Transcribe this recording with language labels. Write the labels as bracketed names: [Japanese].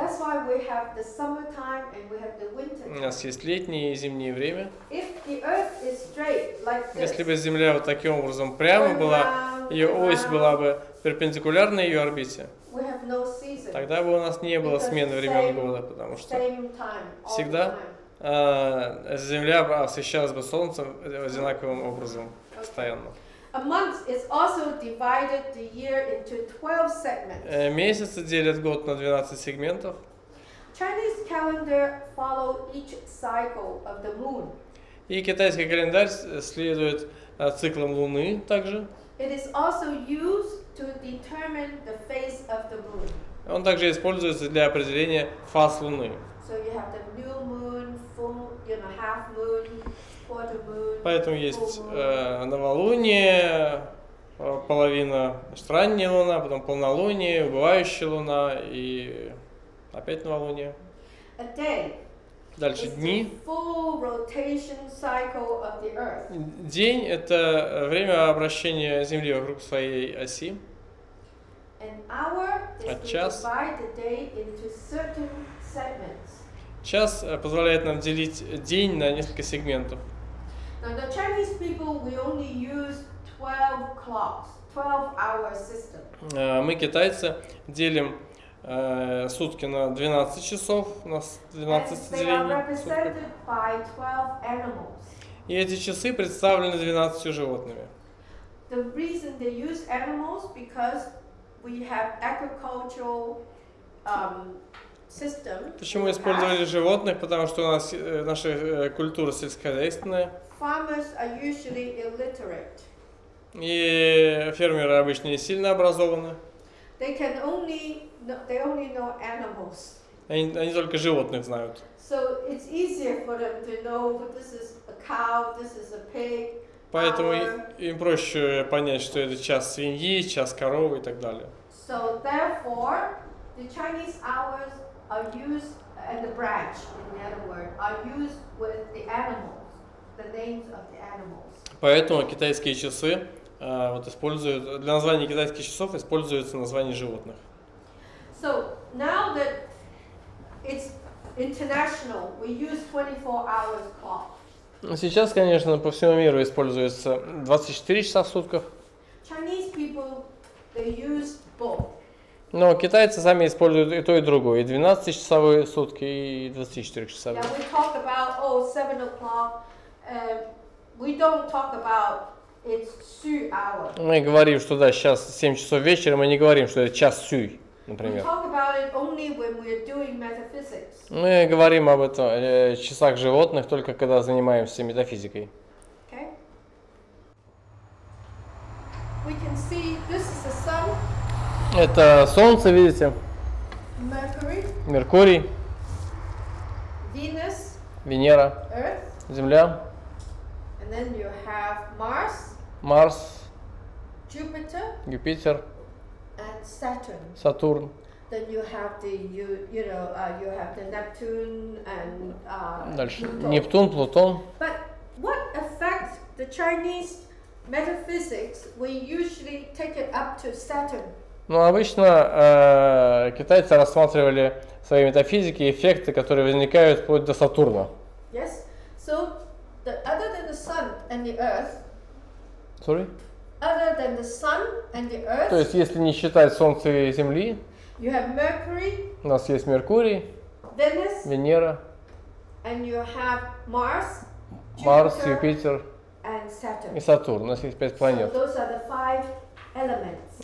[English] That's why we have the summertime and we have the wintertime. [Russian] У нас есть летнее и зимнее время. [English] If the earth is straight, like this, [Russian] если бы Земля вот таким образом прямо была, ее ось была бы перпендикулярна ее орбите, [English] we have no season, [Russian] тогда бы у нас не было смены времен года, потому что всегда Земля освещалась бы Солнцем одинаковым образом постоянно. [English] A month is also divided the year into 12 segments. [Russian] Месяцы делят год на 12 сегментов. [English] Chinese calendar follow each cycle of the moon. [Russian] И китайский календарь следует циклам Луны также. [English] It is also used to determine the phase of the moon. [Russian] Он также используется для определения фаз Луны. [English] So you have the new moon, full, you know, half moon. [Russian] Поэтому есть новолуние, половина, значит, ранняя луна, потом полнолуние, убывающая луна и опять новолуние. [English] A day. [Russian] Дальше [English] is [Russian] дни. [English] The full rotation cycle of the earth. [Russian] День – это время обращения Земли вокруг своей оси. [English] An hour is [Russian] час. [English] To divide the day into certain segments. [Russian] Час позволяет нам делить день на несколько сегментов. [English] Now the Chinese people we only use 12 clocks, 12-hour system. [Russian] Мы китайцы делим сутки на 12 часов, у нас 12 делений. [English] And they are represented by 12 animals. [Russian] И эти часы представлены 12 животными. [English] The reason they use animals because we have agricultural system. [Russian] Почему использовали животных? Потому что у нас наша культура сельскохозяйственная. [English] Farmers are usually illiterate. [Russian] И фермеры обычно не сильно образованы. [English] They only know animals. [Russian] Они только животных знают. [English] So it's easier for them to know this is a cow, this is a pig. [Russian] Поэтому им проще понять, что это час свиньи, час коровы и так далее. [English] So therefore, the Chinese hours are used, and the branch, in the other word, are used with the animals. [Russian] Поэтому китайские часы вот используют для названия китайских часов используются названия животных. [English] So now that it's international, we use 24 hours clock. [Russian] Сейчас, конечно, по всему миру используется 24 часа в сутках. [English] Chinese people they use both. [Russian] Но китайцы сами используют и то, и другое, и 12-часовые сутки, и 24-часовые. [English] Yeah, we talk about 7 o'clock. We don't talk about it's сюй hour. [Russian] Мы говорим, что да, сейчас 7 часов вечера, мы не говорим, что это час сюй, например. [English] We talk about it only when we're doing metaphysics. [Russian] Мы говорим об этом часах животных только когда занимаемся метафизикой. [English] Okay. We can see this is the sun. [Russian] Это солнце, видите? [English] Mercury. [Russian] Меркурий. [English] Venus. [Russian] Венера. [English] Earth. [Russian] Земля. [English] And then you have Mars. Mars. Jupiter. [Russian] Юпитер. [English] And Saturn. [Russian] Сатурн. [English] Then you have the you have the Neptune and [Russian] дальше [English] Pluto. [Russian] Нептун, Плутон. [English] But what affects the Chinese metaphysics? We usually take it up to Saturn. [Russian] Ну обычно китайцы рассматривали в своей метафизике эффекты, которые возникают вплоть до Сатурна. [English] Yes. So other than the sun and the earth. Sorry? Other than the sun and the earth. [Russian] То есть если не считать Солнце и Земли. [English] You have Mercury. [Russian] У нас есть Меркурий. [English] Venus. [Russian] Венера. [English] And you have Mars. [Russian] Марс, Юпитер. [English] And Saturn. [Russian] И Сатурн. У нас есть 5 планет. [English] So those are the 5 elements.